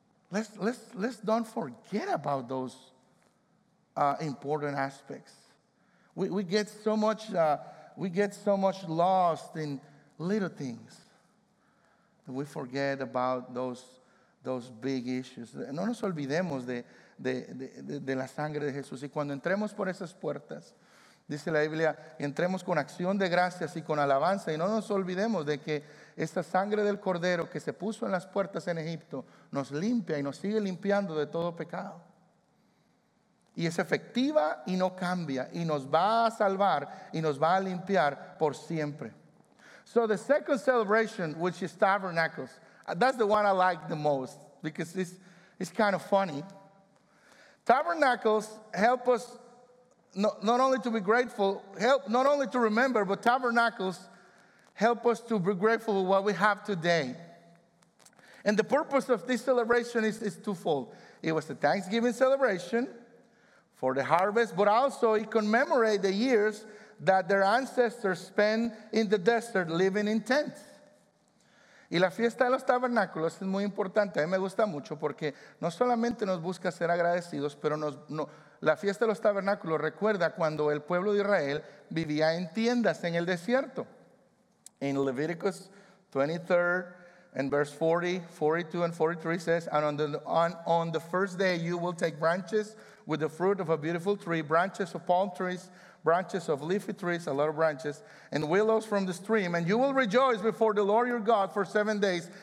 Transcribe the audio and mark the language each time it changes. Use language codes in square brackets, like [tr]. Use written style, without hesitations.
[en] Let's don't forget about those important aspects. We get so much lost in little things that we forget about those big issues. [es] No nos olvidemos de la sangre de Jesús. Y cuando entremos por esas puertas, dice la Biblia, entremos con acción de gracias y con alabanza. Y no nos olvidemos de que esta sangre del Cordero que se puso en las puertas en Egipto nos limpia y nos sigue limpiando de todo pecado. Y es efectiva y no cambia. Y nos va a salvar y nos va a limpiar por siempre. [en] So the second celebration, which is Tabernacles, that's the one I like the most because it's kind of funny. Tabernacles help us not only to be grateful, help not only to remember, but Tabernacles help us to be grateful for what we have today. And the purpose of this celebration is twofold. It was a Thanksgiving celebration for the harvest, but also it commemorated the years that their ancestors spent in the desert living in tents. [es] Y la fiesta de los tabernáculos es muy importante. A mí me gusta mucho porque no solamente nos busca ser agradecidos, pero la fiesta de los tabernáculos recuerda cuando el pueblo de Israel vivía en tiendas en el desierto. [en] In Leviticus 23 and verse 40, 42 and 43 says, "And on the first day you will take branches with the fruit of a beautiful tree, branches of palm trees, branches of leafy trees, a lot of branches, and willows from the stream, and you will rejoice before the Lord your God for 7 days.